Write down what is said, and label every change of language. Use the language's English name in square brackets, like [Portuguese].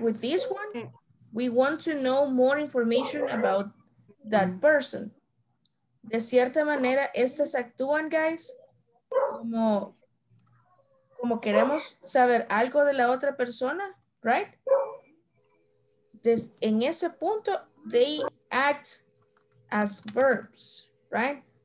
[English] With this one, we want to know more information about that person. [Spanish] De cierta manera, estas actúan, guys, como queremos saber algo de la otra persona, right? En ese punto, [English] they act as verbs, right?